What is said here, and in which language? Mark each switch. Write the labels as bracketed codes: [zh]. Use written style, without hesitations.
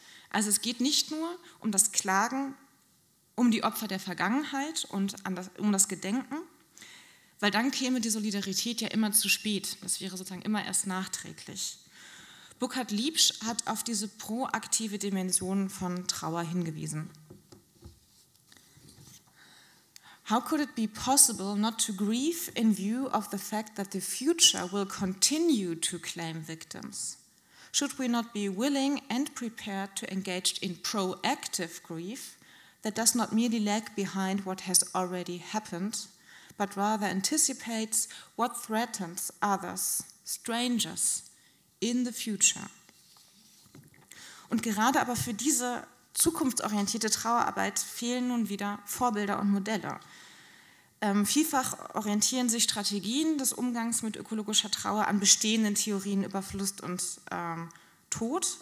[de] Also es geht nicht nur um das Klagen um die Opfer der Vergangenheit und um das Gedenken, weil dann käme die Solidarität ja immer zu spät. Das wäre sozusagen immer erst nachträglich. Burkhard Liebsch hat auf diese proaktive Dimension von Trauer hingewiesen. [en] How could it be possible not to grieve in view of the fact that the future will continue to claim victims? Should we not be willing and prepared to engage in proactive grief that does not merely lag behind what has already happened, but rather anticipates what threatens others, strangers, in the future? [de] Und gerade aber für diese zukunftsorientierte Trauerarbeit fehlen nun wieder Vorbilder und Modelle. Vielfach orientieren sich Strategien des Umgangs mit ökologischer Trauer an bestehenden Theorien über Verlust und Tod.